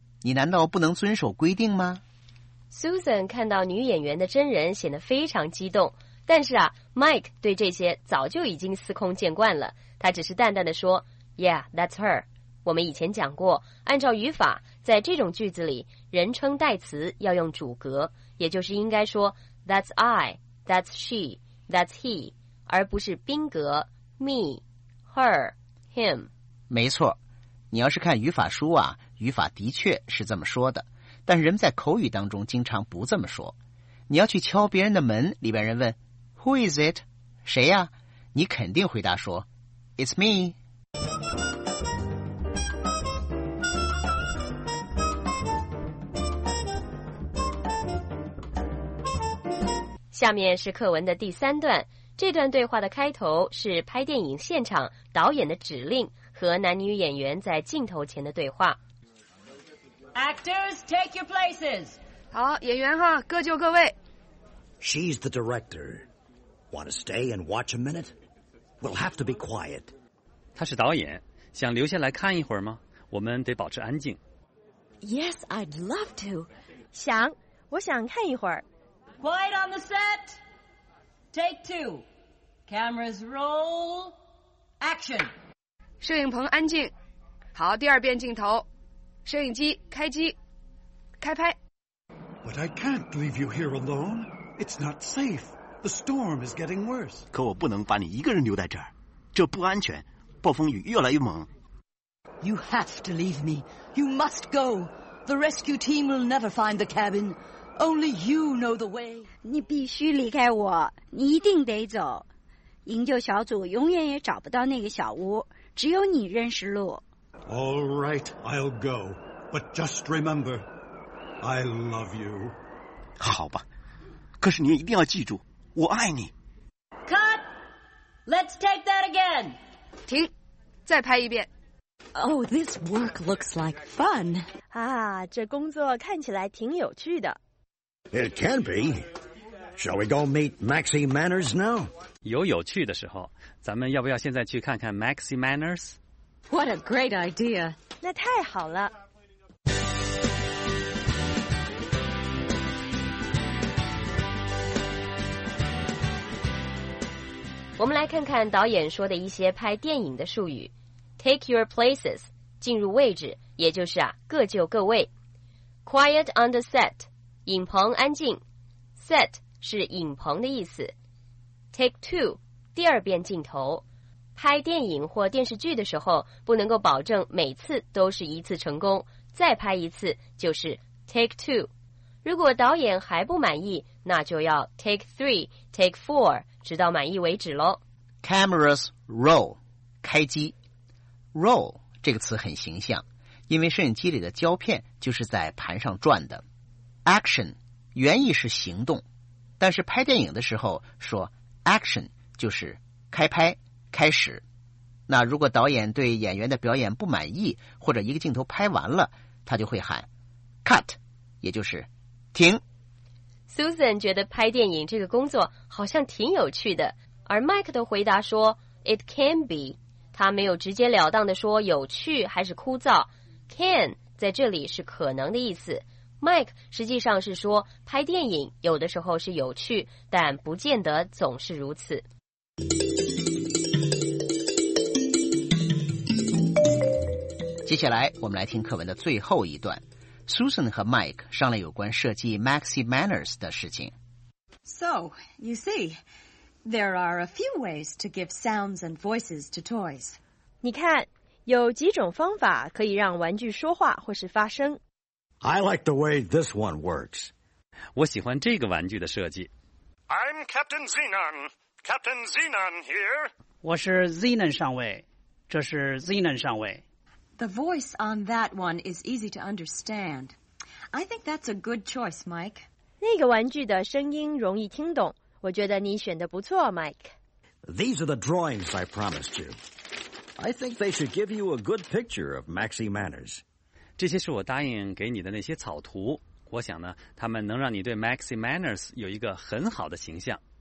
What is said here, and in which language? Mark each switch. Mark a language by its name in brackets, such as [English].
[Chinese] 你难道不能遵守规定吗？ Susan 看到女演员的真人显得非常激动，但是啊 Mike 对这些早就已经司空见惯了，他只是淡淡地说 [English] Yeah, that's her。 [Chinese] 我们以前讲过，按照语法，在这种句子里人称代词要用主格，也就是应该说 [English] That's I, that's she, that's he， [Chinese] 而不是宾格 [English] Me, her, him。 [Chinese] 没错，你要是看语法书啊，语法的确是这么说的，但是人们在口语当中经常不这么说。你要去敲别人的门，里边人问 [English] Who is it？ [Chinese] 谁呀？你肯定回答说 [English] It's me。 [Chinese] 下面是课文的第三段，这段对话的开头是拍电影现场导演的指令和男女演员在镜头前的对话。 [English] Actors, take your places. [Chinese] 好，演员哈，各就各位。 [English] She's the director. Want to stay and watch a minute? We'll have to be quiet. [Chinese] 他是导演，想留下来看一会儿吗？我们得保持安静。 [English] Yes, I'd love to. [Chinese] 想，我想看一会儿。 [English] Quiet on the set. Take two. Cameras roll. Action. [Chinese] 摄影棚安静。好，第二遍镜头。摄影机开机，开拍。 [English] But I can't leave you here alone. It's not safe. The storm is getting worse. [Chinese] 可我不能把你一个人留在这儿，这不安全，暴风雨越来越猛。 [English] You have to leave me. You must go. The rescue team will never find the cabin. Only you know the way. [Chinese] 你必须离开我，你一定得走。营救小组永远也找不到那个小屋，只有你认识路。 [English] All right, I'll go. But just remember, I love you. [Chinese] 好吧，可是你一定要记住，我爱你。 [English] Cut! Let's take that again. [Chinese] 停，再拍一遍。 [English] Oh, this work looks like fun. [Chinese] 啊，这工作看起来挺有趣的。 [English] It can be. Shall we go meet Maxie Manners now? [Chinese] 有趣的时候，咱们要不要现在去看看 Maxie Manners? [English] What a great idea. [Chinese] 那太好了。我们来看看导演说的一些拍电影的术语。 [English] Take your places, [Chinese] 进入位置，也就是啊，各就各位。 [English] Quiet on the set, [Chinese] 影棚安静。 Set 是影棚的意思。 [English] Take two, [Chinese] 第二遍镜头。拍电影或电视剧的时候，不能够保证每次都是一次成功，再拍一次就是 [English] take two。 [Chinese] 如果导演还不满意，那就要 [English] take three, take four, [Chinese] 直到满意为止咯。 [English] Cameras roll, [Chinese] 开机。 Roll 这个词很形象，因为摄影机里的胶片就是在盘上转的。 Action 原意是行动，但是拍电影的时候说 action 就是开拍开始。那如果导演对演员的表演不满意，或者一个镜头拍完了，他就会喊 cut， 也就是停。 Susan 觉得拍电影这个工作好像挺有趣的，而 Mike 的回答说 [English] it can be。 [Chinese] 他没有直截了当地说有趣还是枯燥。can 在这里是可能的意思， Mike 实际上是说拍电影有的时候是有趣，但不见得总是如此。接下来我们来听课文的最后一段。Susan 和 Mike 商量有关设计 Maxi Manners 的事情。 [English] So, you seeThere are a few ways to give sounds and voices to toys. [Chinese] 你看，有几种方法可以让玩具说话或是发声。 [English] I like the way this one works. [Chinese] 我喜欢这个玩具的设计。 [English] I'm Captain Zenon. Captain Zenon here. [Chinese] 我是 Zenon 上尉，这是 Zenon 上尉。 [English] The voice on that one is easy to understand. I think that's a good choice, Mike. [Chinese] 那个玩具的声音容易听懂。我觉得你选的不错 ,Mike. [English] These are the drawings I promised you. I think they should give you a good picture of Maxi Manners. [Chinese] 这些是我答应给你的那些草图。我想呢，他们能让你对 Maxi Manners 有一个很好的形象。